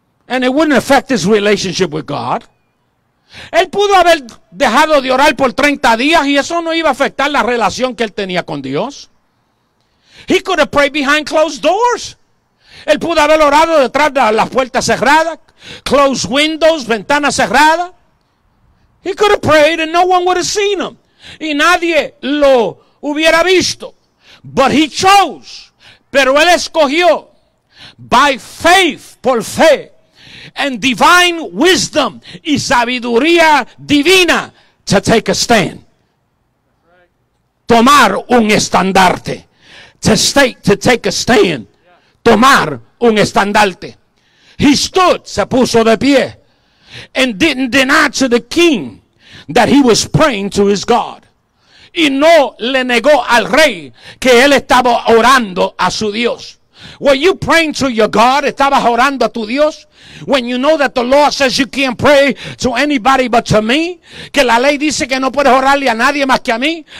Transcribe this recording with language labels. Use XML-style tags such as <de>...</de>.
<en>And it wouldn't affect his relationship with God.</en> <es>Él pudo haber dejado de orar por 30 días y eso no iba a afectar la relación que él tenía con Dios.</es> <en>He could have prayed behind closed doors.</en> <es>Él pudo haber orado detrás de las puertas cerradas,</es> <en>closed windows,</en> <es>ventanas cerradas.</es> <en>He could have prayed and no one would have seen him.</en> <es>Y nadie lo hubiera visto.</es> <en>But he chose.</en> <es>Pero él escogió.</es> <en>By faith,</en> <es>por fe.</es> <en>And divine wisdom,</en> <es>y sabiduría divina,</es> <en>to take a stand.</en> <es>Tomar un estandarte.</es> <en>To take a stand.</en> <es>Tomar un estandarte.</es> <en>He stood,</en> <es>se puso de pie,</es> <en>and didn't deny to the king that he was praying to his God.</en> <es>Y no le negó al rey que él estaba orando a su Dios.</es> <en>Were you praying to your God?</en> <es>¿Estabas orando a tu Dios?</es> <en>When you know that the law says you can't pray to anybody but to me.</en> <es>Que la ley dice que no puedes orarle a nadie más que a mí.</es>